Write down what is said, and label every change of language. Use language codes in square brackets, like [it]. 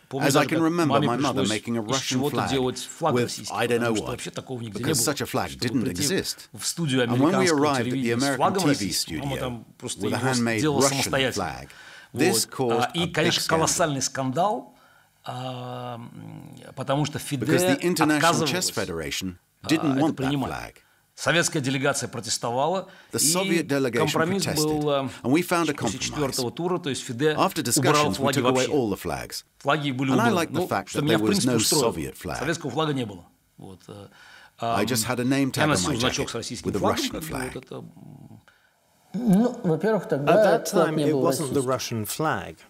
[en] As I can remember my mother making a Russian flag with I don't know what, because such a flag didn't exist. And when we arrived at the American TV studio with a handmade Russian flag, this caused a big scandal. Because the International Chess Federation didn't want that flag. [ru] Советская делегация протестовала, и компромисс был после четвертого тура, то есть ФИДЕ убрал флаги вообще. Флаги были убраны, что меня в принципе устроило. Советского флага не было. Я носил значок с российским флагом, и вот это... Ну, во-первых, тогда [en] At that time, it wasn't the Russian flag.